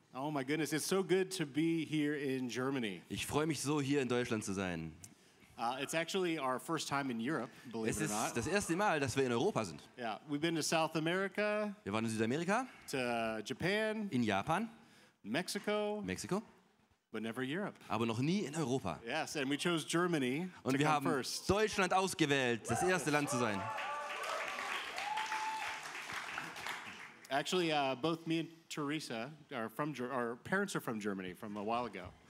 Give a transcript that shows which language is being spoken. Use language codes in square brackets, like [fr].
[en] my goodness, it's so good to be here in Germany. [de] Ich freue mich so, hier in Deutschland zu sein. [en] It's actually our first time in Europe, believe it or not. [de] Es ist das erste Mal, dass wir in Europa sind. [en] Yeah, we've been to South America. [de] Wir waren in Südamerika. [en] To Japan. [de] In Japan. [en] Mexico. [de] Mexiko. [en] But never Europe. [de] Aber noch nie in Europa. [en] Yes, and we chose Germany to come first. [de] Und wir haben Deutschland ausgewählt, das erste Land zu sein. [en] Actually, both me and Teresa are from our parents are from Germany from a while ago.